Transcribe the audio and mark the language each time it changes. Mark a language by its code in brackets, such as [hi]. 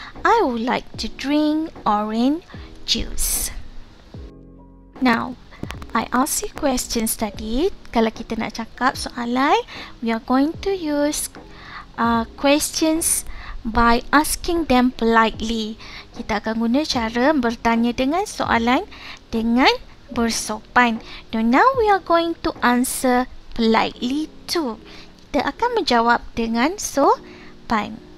[en] I would like to drink orange juice. Now, I ask you questions [ms] tadi. Kalau kita nak cakap soalan, [en] we are going to use questions by asking them politely. [ms] Kita akan guna cara bertanya dengan soalan dengan bersopan. [en] Now we are going to answer politely too. [ms] Kita akan menjawab dengan sopan.